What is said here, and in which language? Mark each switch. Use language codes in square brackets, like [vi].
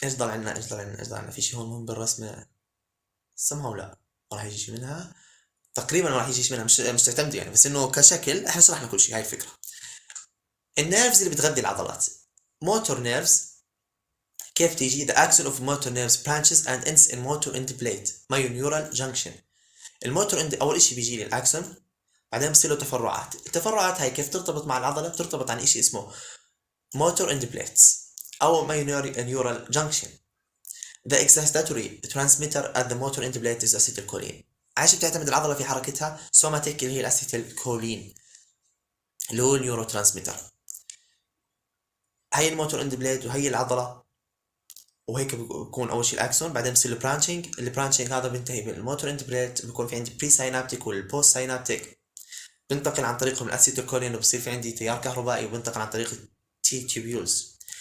[ar] ايش ضل عندنا في شيء هون مهم بالرسمة سمها ولا ما راح يجي منها؟ تقريبا ما راح يجي منها، مش تعتمد يعني، بس انه كشكل احنا شرحنا كل شيء. هاي الفكرة النيرفز اللي بتغذي العضلات موتور نيرفز كيف تيجي؟ [en] The axon of motor nerves branches and ends in motor end plate myoneural junction. [ar] الموتور اند اول شيء بيجي لي الاكسون بعدين بصير له تفرعات، التفرعات هاي كيف ترتبط مع العضله؟ بترتبط عن شيء اسمه motor end plates او myoneural junction. [en] The excitatory transmitter at the motor end plate is acetylcholine. [ar] عشان بتعتمد العضله في حركتها سوماتيك اللي هي الاسيتيلكولين اللي هو النيورو ترانسميتر. هاي الموتور اند بليت وهي العضله وهيك بيكون اول شيء الاكسون بعدين بصير البرانشينج، البرانشينج هذا بينتهي بالموتور انتبريت بيكون في عندي بري سينابتيك والبوست سينابتيك بنتقل عن طريقهم الاسيتيلكولين وبصير في عندي تيار كهربائي وبنتقل عن طريق التي تيوبيولز.